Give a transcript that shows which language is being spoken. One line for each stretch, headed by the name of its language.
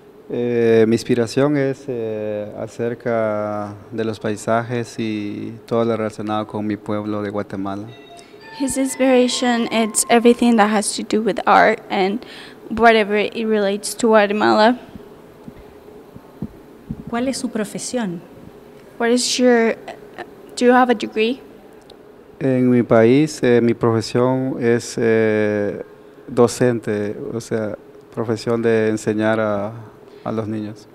Spanish: Mi inspiración es acerca de los paisajes y todo lo relacionado con mi pueblo de Guatemala.
English: His inspiration is everything that has to do with art and whatever it relates to Guatemala.
Spanish: ¿Cuál es su profesión?
English: What is your, do you have a degree?
Spanish: En mi país, mi profesión es docente, o sea, profesión de enseñar a los niños.